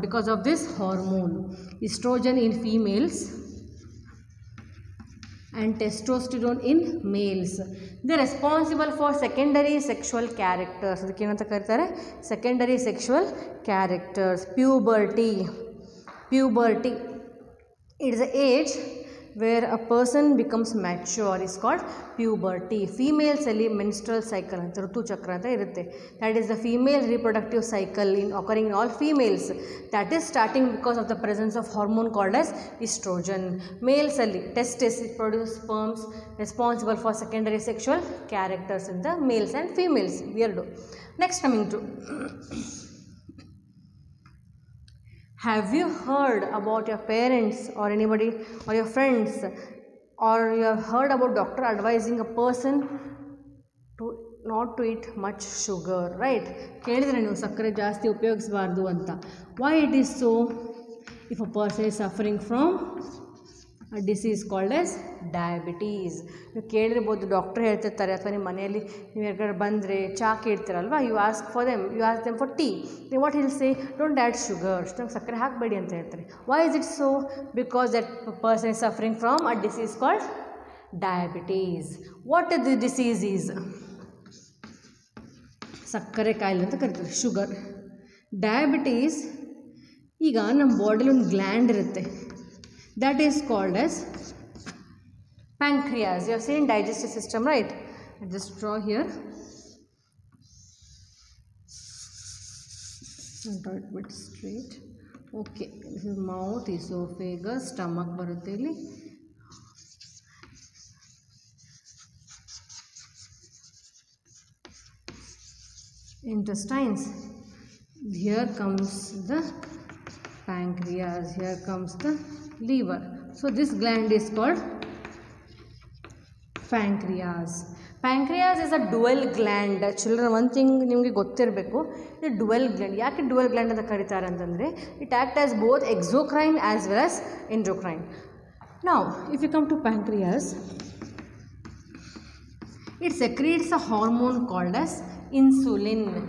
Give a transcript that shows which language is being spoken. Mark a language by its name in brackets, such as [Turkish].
[English] Because of this hormone oestrogen in females and testosterone in males. They responsible for secondary sexual characters. [Kannada] ಅದಕ್ಕೇನಂತ ಕರೀತಾರೆ? [English] Secondary sexual characters. Puberty, puberty it's a age where a person becomes mature is called puberty. Female cell menstrual cycle and [Kannada] ritu chakra anta irutte. [English] That is the female reproductive cycle in occurring in all females. That is starting because of the presence of hormone called as estrogen. Male cell testes it produces sperms responsible for secondary sexual characters in the males and females. Weirdo. Next coming to have you heard about your parents or anybody or your friends or you have heard about doctor advising a person to not to eat much sugar, right? [Kannada] ಕೇಳಿದ್ರೆ ನೀವು ಸಕ್ಕರೆ ಜಾಸ್ತಿ ಉಪಯೋಗಿಸಬಾರ್ದು ಅಂತ. [English] Why it is so? If a person is suffering from a disease called as diabetes. [Kannada] ನೀವು ಕೇಳಿರ್ಬೋದು doctor ಹೇಳ್ತಿರ್ತಾರೆ ಅಥವಾ ನಿಮ್ಮ ಮನೆಯಲ್ಲಿ ನೀವು ಯಾರಿಗಾದ್ರು ಬಂದರೆ ಚಾ ಕೇಳ್ತಿರಲ್ವಾ, [English] you ask for them, you ask them for tea, [Kannada] ನೀವು [English] what he'll say, don't add sugar, [Kannada] ಅಷ್ಟು ಸಕ್ಕರೆ ಹಾಕಬೇಡಿ ಅಂತ ಹೇಳ್ತಾರೆ. [English] Why is it so? Because that person is suffering from a disease called diabetes. What the disease is? [Kannada] ಸಕ್ಕರೆ ಕಾಯಿಲೆ ಅಂತ ಕರಿತಾರೆ ಶುಗರ್. ಡಯಾಬಿಟೀಸ್, ಈಗ ನಮ್ಮ ಬಾಡಿಲಿ ಒಂದು ಗ್ಲ್ಯಾಂಡ್ ಇರುತ್ತೆ, [English] That is called as pancreas. You have seen digestive system, right? I just draw here. Draw it a bit straight. Okay, this is mouth, esophagus, stomach barateli. Intestines. Here comes the pancreas. Here comes the liver. So this gland is called pancreas. Pancreas is a dual gland. Children, one thing [Kannada] ನಿಮಗೆ ಗೊತ್ತಿರಬೇಕು, ಇದು dual gland. ಯಾಕೆ dual gland ಅಂತ ಕರೀತಾರೆ ಅಂತಂದರೆ, [English] It act as both exocrine as well as endocrine. ನಾವು if you come to pancreas, it secretes a hormone called as insulin.